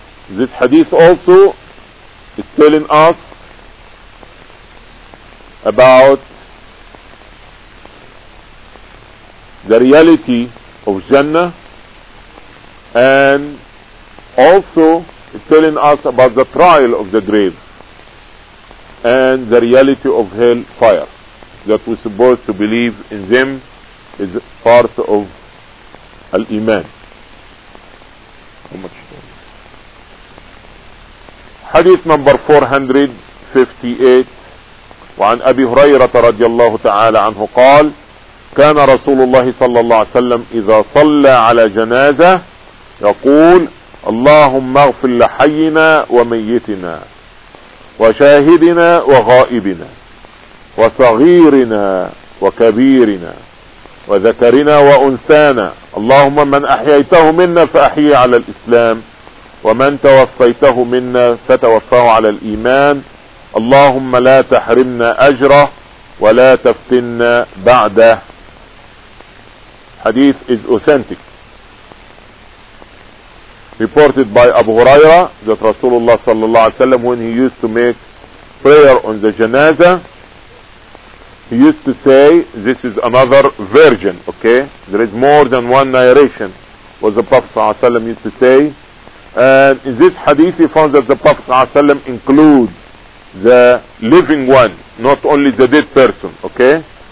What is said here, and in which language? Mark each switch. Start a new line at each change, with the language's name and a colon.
English: This hadith also is telling us about the reality of Jannah, and also is telling us about the trial of the grave and the reality of hell fire, that we're supposed to believe in them is part of al-Iman. How much? Hadith number 458,
Arabic: وعن أبي هريرة رضي الله تعالى عنه قال كان رسول الله صلى الله عليه وسلم إذا صلى على جنازة يقول اللهم اغفر لحينا وميتنا وشاهدنا وغائبنا وصغيرنا وكبيرنا وذكرنا وأنثانا، اللهم من أحييته منا فأحيي على الإسلام، ومن توفيته منا فتوفاه على الإيمان، اللهم لا تحرمنا أجره ولا تفتنا بعده.
English: حديث is authentic, reported by Abu Huraira that Rasulullah sallallahu alayhi wa sallam, when he used to make prayer on the janaza, he used to say, this is another version, okay, there is more than one narration what the Prophet sallallahu alayhi wa sallam used to say, and in this hadith he found that the Prophet sallallahu alayhi wa sallam includes the living one, not only the dead person, okay.